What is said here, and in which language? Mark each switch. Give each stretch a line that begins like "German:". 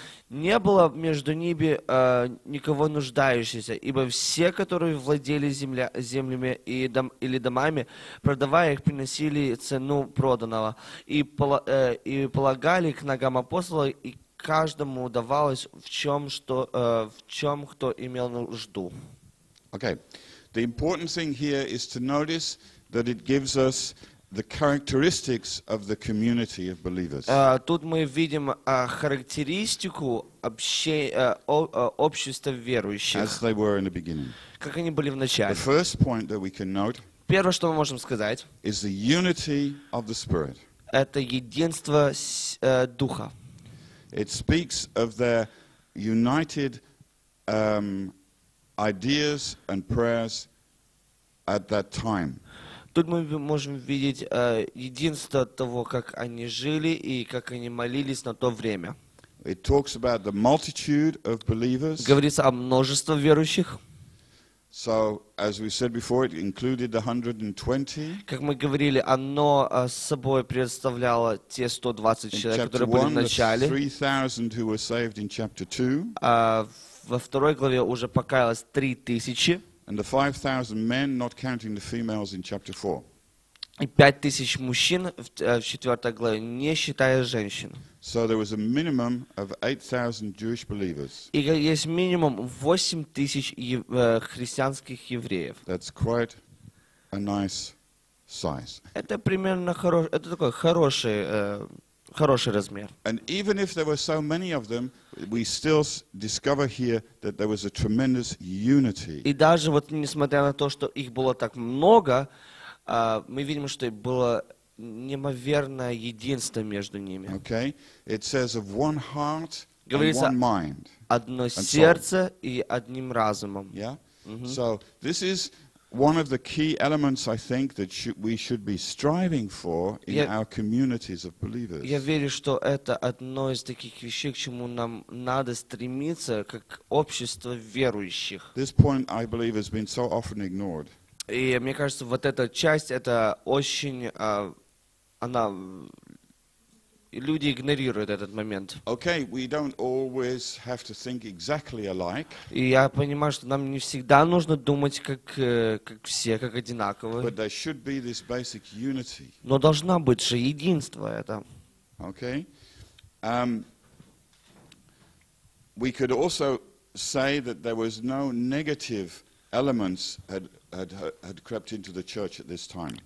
Russian: Не было между ними никого нуждающегося, ибо все, которые владели землями или домами, продавая их, приносили цену проданного, и полагали к ногам апостола, и каждому удавалось в чем кто имел нужду.
English: Okay. The important thing here is to notice that it gives us the characteristics of the community of believers.
Russian: Тут мы видим характеристику общества верующих.
English: As they were in the beginning.
Russian: Как они были в начале.
English: The first point that we can note.
Russian: Первое, что мы можем сказать.
English: Is the unity of the Spirit.
Russian: Это единство духа.
English: It speaks of their united ideas and prayers at that time.
Russian: Тут мы можем видеть единство того, как они жили и как они молились на то время.
English: It talks about the multitude of believers.
Russian: Говорится о множестве верующих.
English: So, as we said before, it included the 120.
Russian: Как мы говорили, оно собой представляло те 120 человек, которые были в начале.
English: 3,000 who were saved in chapter 2.
Russian: Во второй главе уже покаялось 3,000.
English: And the 5,000 men, not counting the females, in chapter 4.
Russian: И 5,000 мужчин в четвертой главе, не считая женщин.
English: So there was a minimum of 8,000 Jewish believers.
Russian: И есть минимум 8,000 христианских евреев.
English: That's quite a nice size.
Russian: Это примерно это такой хороший размер.
English: And even if there were so many of them, we still discover here that there was a tremendous unity.
Russian: И даже вот несмотря на то, что их было так много, мы видим, что было неимоверное единство между ними.
English: Okay. It says of one heart and one mind.
Russian: Одно сердце и одним разумом.
English: Yeah. Mm-hmm. So this is one of the key elements, I think, that we should be striving for in our communities of believers.
Russian: Я верю, что это одно из таких вещей, к чему нам надо стремиться как общество верующих.
English: This point, I believe, has been so often ignored.
Russian: И мне кажется, вот эта часть, это очень, она, люди игнорируют этот момент.
English: Okay, we don't always have to think exactly alike.
Russian: И я понимаю, что нам не всегда нужно думать как все, как одинаково.
English: But there should be this basic unity.
Russian: Но должна быть же единство это.
English: Okay. We could also say that there was no negative elements had crept into the church at this time.